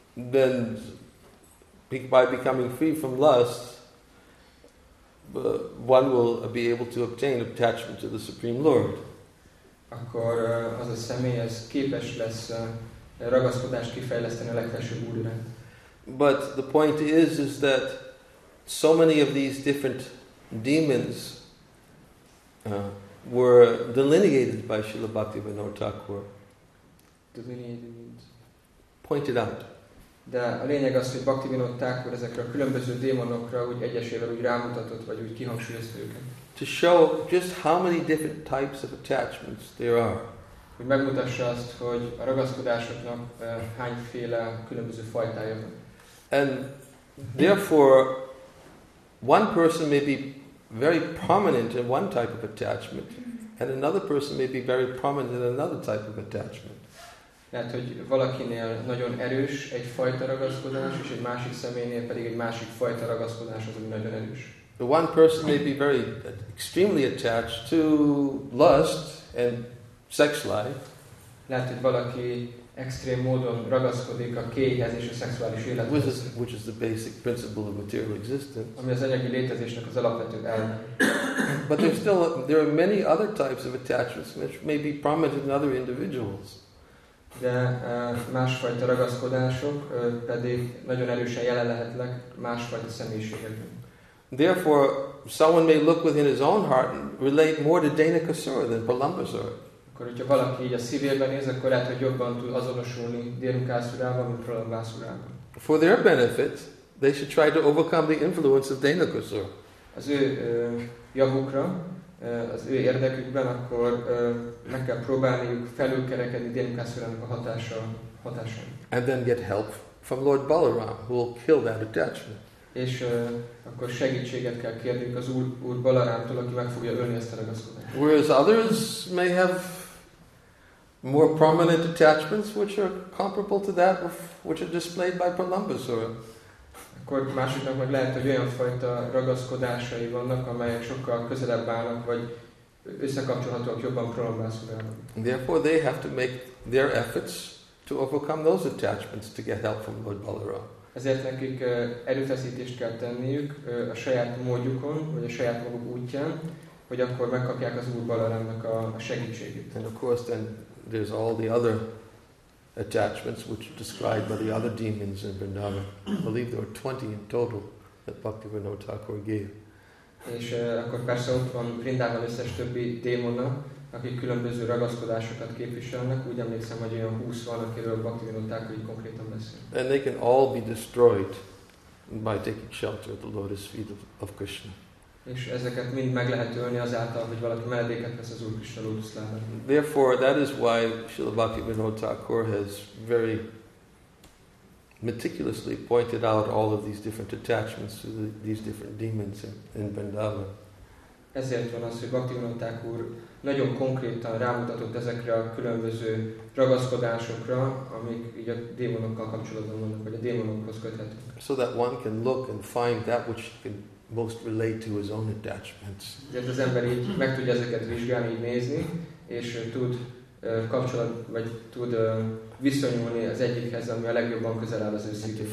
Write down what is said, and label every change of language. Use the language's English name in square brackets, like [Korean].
[English] Then... By becoming free from lust, one will be able to obtain attachment to the Supreme Lord. [Hungarian] Akkor az a személy az képes lesz ragaszkodást kifejleszteni a legfelsőbb úrra. [English] But the point is that so many of these different demons were delineated by Srila Bhaktivinoda Thakur. Delineated means? Pointed out. [Hungarian] De a lényeg az, hogy Bhaktivinoda Thakur ezekre a különböző démonokra úgy egyesével úgy rámutatott, vagy úgy kihangsúlyozta őket. [English] To show just how many different types of attachments there are. [Hungarian] Hogy megmutassa azt, hogy a ragaszkodásoknak hányféle különböző fajtája van. [English] And therefore, one person may be very prominent in one type of attachment, and another person may be very prominent in another type of attachment. [Hungarian] Lehet, hogy valakinél nagyon erős egy fajta ragaszkodás, és egy másik személynél pedig egy másik fajta ragaszkodás az, ami nagyon erős. [English] The one person may be very extremely attached to lust and sex life. [Hungarian] Lehet, hogy valaki extrém módon ragaszkodik a kéhez és a szexuális élethez. [English] Which is the basic principle of material existence. [Hungarian] Ami az anyagi létezésnek az alapvető elve. [English] But there are many other types of attachments which may be prominent in other individuals. [Hungarian] De másfajta ragaszkodások pedig nagyon erősen jelen lehetnek másfajta személyiségekben. [English] Therefore, someone may look within his own heart and relate more to Dinakasura than Prahlabasura. [Hungarian] Akkor, hogyha valaki így a szívében néz, akkor lehet, hogy jobban tud azonosulni Dinakasurával, mint Prahlabasurával. [English] For their benefit, they should try to overcome the influence of Dénakasura. [Hungarian] Az ő javukra, az ő érdekükben, akkor meg kell próbálniuk felülkerekedni Dénakasurának a hatásán. [English] And then get help from Lord Balaram, who will kill that attachment. [Hungarian] És akkor segítséget kell kérniük az úr Balarámtól, aki meg fogja ölni ezt a ragaszkodást. [English] Whereas others may have more prominent attachments, which are comparable to that which are displayed by Pralambasura. [Hungarian] Akkor másoknak meg lehet, hogy olyan fajta ragaszkodásai vannak, amelyek sokkal közelebb állnak, vagy összekapcsolhatóak jobban Pralambasurával. [English] Therefore, they have to make their efforts to overcome those attachments to get help from Lord Balaram. [Hungarian] Ezért nekik erőfeszítést kell tenniük a saját módjukon, vagy a saját maguk útján, hogy akkor megkapják az Úr Balarámnak a segítségét. [English] And of course then there's all the other attachments which are described by the other demons in Vrindavan. I believe there are 20 in total that Bhaktivinoda Thakur gave. [Hungarian] És akkor persze ott van Vrindavan összes többi démona, akik különböző ragaszkodásokat képviselnek, úgy emlékszem, hogy olyan 20 van, akiről Bhaktivinoda Thakur konkrétan beszél. [English] And they can all be destroyed by taking shelter at the lotus feet of Krishna. [Hungarian] És ezeket mind meg lehet ölni azáltal, hogy valaki menedéket vesz az Úr Krishna lotus lábán. [English] Therefore, that is why Srila Bhaktivinoda Thakur has very meticulously pointed out all of these different attachments to these different demons in Vrindavan. [Hungarian] Ezért van az, hogy Bhaktivinoda Thakur nagyon konkrétan rámutatott ezekre a különböző ragaszkodásokra, amik így a démonokkal kapcsolatban vannak, vagy a démonokhoz köthetők. [English] So that one can look and find that which can most relate to his own attachments. [Hungarian] Ezért az ember így meg tudja ezeket vizsgálni, így nézni, és tud kapcsolat, vagy tud viszonyulni az egyikhez, ami a legjobban közel áll az ő szívéhez.